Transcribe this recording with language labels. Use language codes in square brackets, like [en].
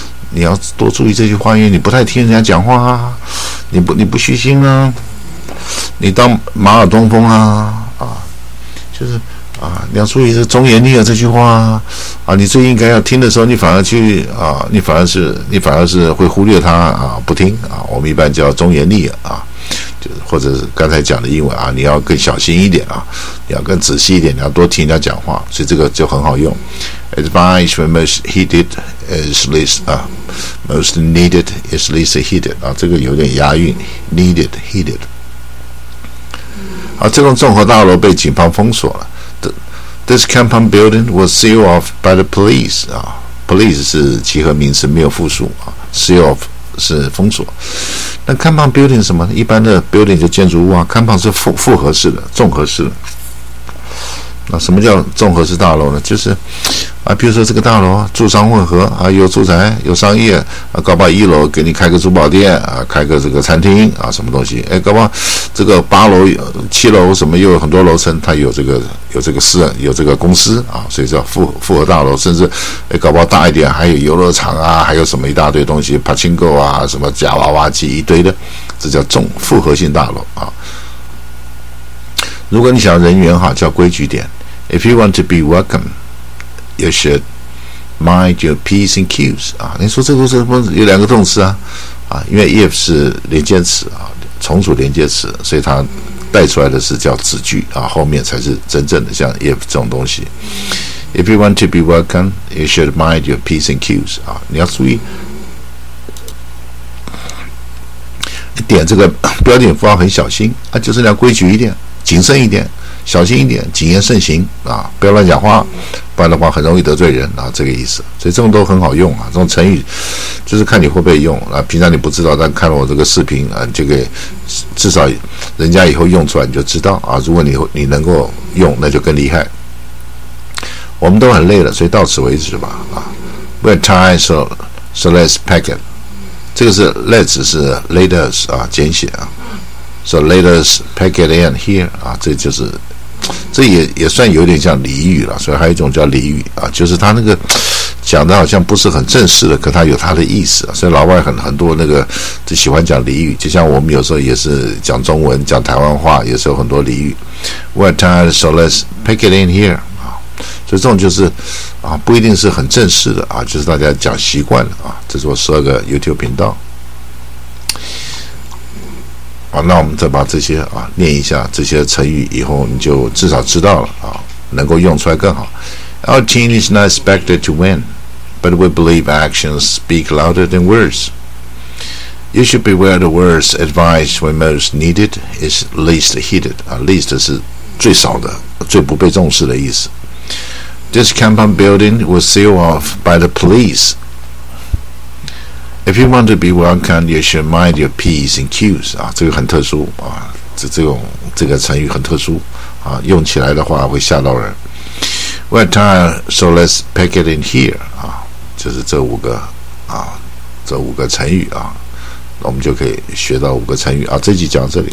[zh] 你要多注意这句话，因为你不太听人家讲话啊，你不虚心啊，你当马耳东风啊，啊，就是啊，你要注意这忠言逆耳这句话啊，啊，你最应该要听的时候，你反而去啊，你反而是会忽略它啊，不听啊，我们一般叫忠言逆耳啊，就是或者是刚才讲的英文啊，你要更小心一点啊，你要更仔细一点，你要多听人家讲话，所以这个就很好用。 [en] Advice when most heeded is least most needed is least heeded 啊， [zh] 这个有点押韵 [en] ，needed heeded。 [zh] 啊，这栋综合大楼被警方封锁了。 [en] This compound building was sealed off by the police 啊 ，police [zh] 是集合名词，没有复数啊 [en] ，sealed off [zh] 是封锁。那 [en] compound building [zh] 什么？一般的 building 就建筑物啊 ，compound 是复合式的，综合式的。那什么叫综合式大楼呢？就是啊，比如说这个大楼住商混合啊，有住宅有商业啊，搞不好一楼给你开个珠宝店啊，开个这个餐厅啊，什么东西？哎，搞不好这个八楼、七楼什么又有很多楼层，它有这个私人有这个公司啊，所以叫复合大楼。甚至哎，搞不好大一点还有游乐场啊，还有什么一大堆东西 ，pachinko 啊，什么夹娃娃机一堆的，这叫综复合性大楼啊。如果你想人缘好，叫规矩点。 [en] If you want to be welcome, you should mind your p's and q's 啊。 [zh] 你说这个是有两个动词啊，啊，因为 if 是连接词啊，从属连接词，所以它带出来的是叫子句啊，后面才是真正的像 if 这种东西。 [en] If you want to be welcome, you should mind your p's and q's 啊， [zh] 你要注意。点这个标点符号很小心啊，就是你要规矩一点。谨慎一点，小心一点，谨言慎行啊，不要乱讲话，不然的话很容易得罪人啊，这个意思。所以这种都很好用啊，这种成语就是看你会不会用啊。平常你不知道，但看了我这个视频啊，这个至少人家以后用出来你就知道啊。如果你能够用，那就更厉害。我们都很累了，所以到此为止吧。啊 ， [en] We're tired, so let's pack it。 [zh] 这个是 let's 是 let us 啊简写啊 ， [en] so let us pack it in here [zh] 啊，这就是这也算有点像俚语了。所以还有一种叫俚语啊，就是他那个讲的好像不是很正式的，可他有他的意思、啊。所以老外很多那个就喜欢讲俚语，就像我们有时候也是讲中文讲台湾话，也是有很多俚语。 [en] We're tired, so let's pack it in here。 [zh] 所以这种就是啊，不一定是很正式的啊，就是大家讲习惯了啊。这是我十二个 YouTube 频道啊。那我们再把这些啊念一下，这些成语以后你就至少知道了啊，能够用出来更好。 [en] Our team is not expected to win, but we believe actions speak louder than words. You should beware the words advice when most needed is least heeded 啊 ，least [zh] 是最少的、最不被重视的意思。 [en] This compound building was sealed off by the police. If you want to be welcome, you should mind your P's and Q's. [zh] 啊，这个很特殊啊，这个成语很特殊啊，用起来的话会吓到人。 [en] We're tired, so let's pack it in here. [zh] 啊，就是这五个啊，这五个成语啊，我们就可以学到五个成语啊。这集讲到这里。